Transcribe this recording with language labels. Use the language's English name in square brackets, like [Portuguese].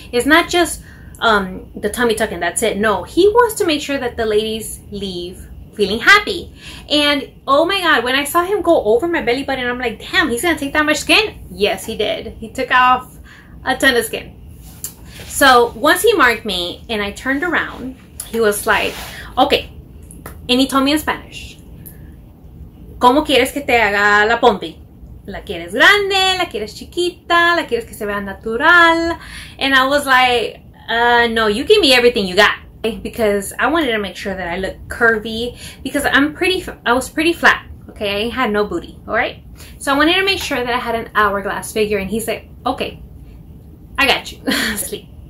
[English] It's not just the tummy tuck and that's it. No, he wants to make sure that the ladies leave feeling happy. And oh my God, when I saw him go over my belly button, I'm like, damn, he's gonna take that much skin? Yes, he did. He took off a ton of skin. So once he marked me and I turned around, he was like, okay. And he told me in Spanish, [Spanish] ¿Cómo quieres que te haga la pompi? ¿La quieres grande? ¿La quieres chiquita? ¿La quieres que se vea natural? [English] And I was like, no, you give me everything you got. Because I wanted to make sure that I look curvy, because I was pretty flat, okay? I had no booty, all right? So I wanted to make sure that I had an hourglass figure, and he's like, okay, I got you. Sleep.